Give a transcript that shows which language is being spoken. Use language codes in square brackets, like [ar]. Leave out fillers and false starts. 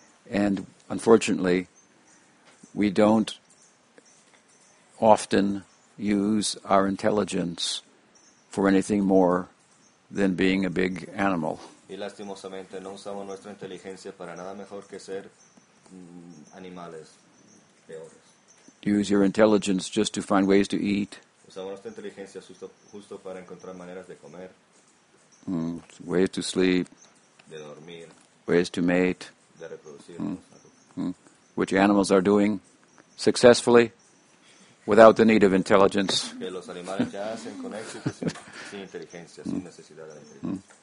[en] And unfortunately, we don't often use our intelligence for anything more than being a big animal. [es] Y lastimosamente no usamos nuestra inteligencia para nada mejor que ser animales peores. [en] Use your intelligence just to find ways to eat. [es] Usamos nuestra inteligencia justo para encontrar maneras de comer. [en] Ways to sleep. [es] De dormir. [en] Ways to mate. [es] De reproducirnos. [en] Which animals are doing successfully without the need of intelligence. [es] Que los animales ya hacen con éxito sin inteligencia, sin necesidad de la inteligencia.